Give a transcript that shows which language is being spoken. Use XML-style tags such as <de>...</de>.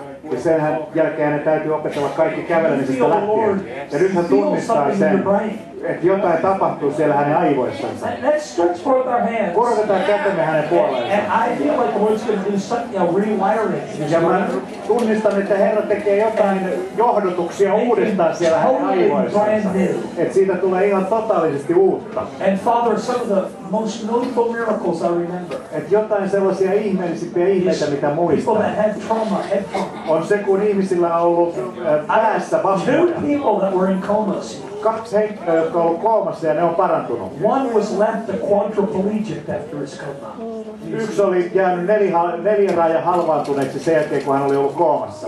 <fi>Ja sen jälkeen hän täytyy opetella kaikki kävelemisestä lähtien. Ja nyt hän tunnistaa sen, että jotain tapahtuu siellä hänen aivoissansa.</fi> <en>Let's stretch forth our hands.</en> <fi>Korotetaan kätemme hänen puoleensa.</fi> <en>And I feel like the Lord's going to do something, you know, rewiring.</en> <fi>Ja mä tunnistan, että Herra tekee jotain johdotuksia uudestaan siellä hänen aivoissansa. Että siitä tulee ihan totaalisesti uutta.</fi> <en>And Father, some of the most notable miracles I remember.</en> <fi>Että jotain sellaisia ihmeellisimpiä ihmeitä, mitä muistan.</fi> <en>People that had trauma, head trauma.</en> <fi>On se, kun ihmisillä on ollut päässä vammoja.</fi> <en>Two people that were in comas.</en> <fi>Kaksi henkilöä, jotka on ollut koomassa ja ne on parantunut.</fi> <en>One was left a quadriplegic after his coma.</en> <fi>Yksi oli jäänyt neliraajan halvaantuneeksi sen jälkeen, kun hän oli ollut koomassa.</fi>